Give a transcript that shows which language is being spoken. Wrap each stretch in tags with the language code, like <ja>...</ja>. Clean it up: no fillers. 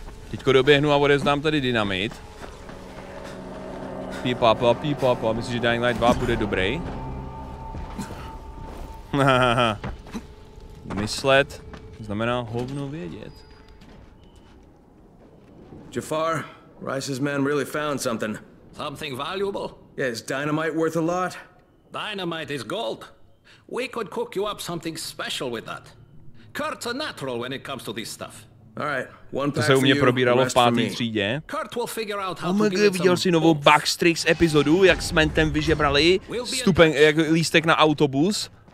<cs>Teďko doběhnu a odevzdám tady dynamit. Pípapa. Myslím, že Dying Light 2 bude dobrý. Myslet znamená hovno vědět. Jafar.</cs> <en>Rice's men really found something. Something valuable? Is dynamite worth a lot? Dynamite is gold. We could cook you up something special with that. Kurt's a natural when it comes to this stuff. All right, one pack for you, rest for me. Kurt will figure out how oh to give</en> <cs>viděl jsi novou Backstreet epizodu, jak s Mentem vyžebrali we'll stupen, jak lístek na autobus.</cs>